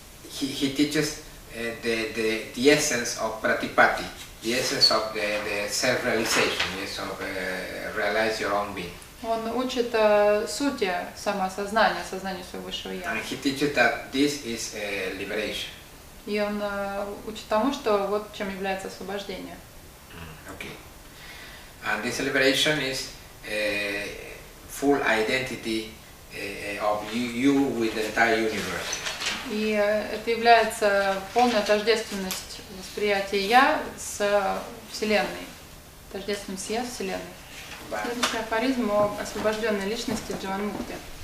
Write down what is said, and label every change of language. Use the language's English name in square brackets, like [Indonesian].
[English] He teaches the essence of pratipati, the essence of the self-realization, yes, of realize your own being. [Russian] Он учит сути самоосознания, сознания своего высшего я. [English] And he teaches that this is a liberation. [Russian] И он учит тому, что вот чем является освобождение. [English] Okay. And this liberation is a full identity of you with the entire universe. [Russian] И это является полная тождественность восприятия я с Вселенной. Тождественность я с Вселенной. Следующий афоризм о освобожденной личности Джаванмукты.